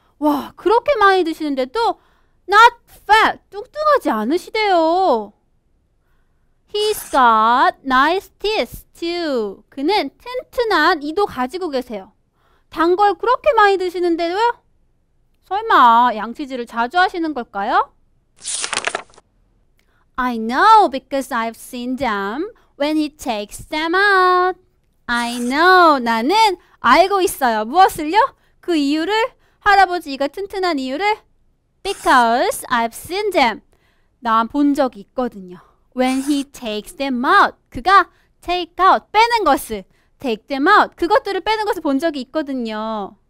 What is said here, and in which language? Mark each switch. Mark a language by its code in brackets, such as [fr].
[ko] 와, 그렇게 많이 드시는데도 [en] not fat, [ko] 뚱뚱하지 않으시대요. [en] He's got nice teeth too. [ko] 그는 튼튼한 이도 가지고 계세요. 단 걸 그렇게 많이 드시는데도요? 설마 양치질을 자주 하시는 걸까요? [en] I know because I've seen them when he takes them out. I know. [ko] 나는 알고 있어요. 무엇을요? 그 이유를? 할아버지가 튼튼한 이유를? [en] Because I've seen them. [ko] 난 본 적이 있거든요. [en] When he takes them out. [ko] 그가 [en] take out, [ko] 빼는 것을. [en] Take them out. [ko] 그것들을 빼는 것을 본 적이 있거든요.